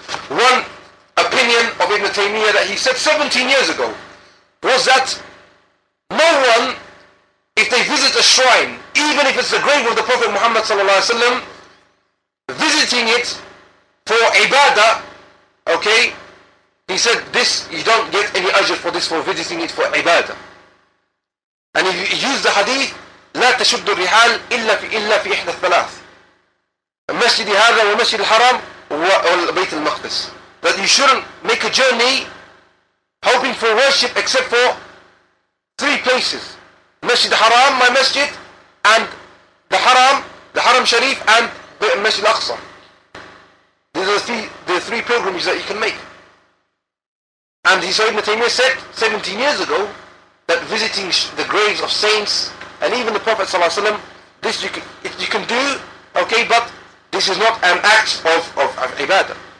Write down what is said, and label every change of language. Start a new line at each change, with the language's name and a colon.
English: One opinion of Ibn Taymiyyah that he said 17 years ago, was that no one, if they visit a shrine, even if it's the grave of the Prophet Muhammad ﷺ, visiting it for ibadah, okay, he said this, you don't get any ajr for this, for visiting it for ibadah. And if you use the hadith,
Arabic: لا تشد الرحال إلا في إحدى الثلاث المسجد هذا ومسجد الحرام وبيت المقدس.
English: that you shouldn't make a journey hoping for worship except for three places: Masjid Haram, my masjid, and the Haram Sharif, and the Masjid Al-Aqsa. These are the three pilgrimages that you can make. And he said, Ibn Taymiyyah said 17 years ago that visiting the graves of saints and even the Prophet Sallallahu Alaihi Wasallam, this you can do, okay, but this is not an act of ibadah.